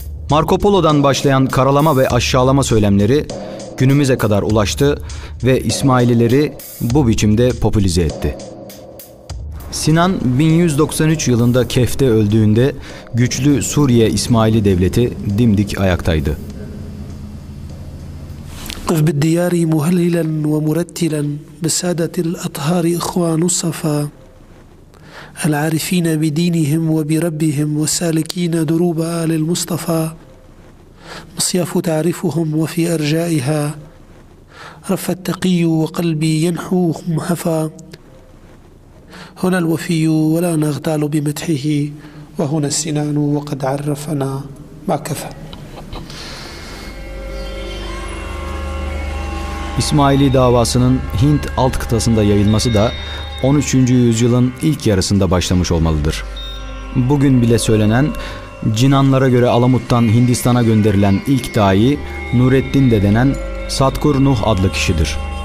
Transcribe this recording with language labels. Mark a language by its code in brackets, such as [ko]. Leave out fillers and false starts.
[tr] Marco Polo'dan başlayan karalama ve aşağılama söylemleri günümüze kadar ulaştı ve İsmaililer'i bu biçimde popülize etti. Sinan 1193 yılında Kehf'te öldüğünde güçlü Suriye İsmaili devleti dimdik ayaktaydı. [ar] قف بالديار مهللا ومرتلا بسادة الأطهار إخوان الصفا العارفين بدينهم وبربهم وسالكين دروب آل المصطفى مصياف تعرفهم وفي أرجائها رف التقي وقلبي ينحوهم هفا هنا الوفي ولا نغتال بمدحه وهنا السنان وقد عرفنا ما كفى. [tr] İsmaili davasının Hint alt kıtasında yayılması da 13. yüzyılın ilk yarısında başlamış olmalıdır. Bugün bile söylenen, Cinanlara göre Alamut'tan Hindistan'a gönderilen ilk dâi Nureddin de denen Satgur Nuh adlı kişidir.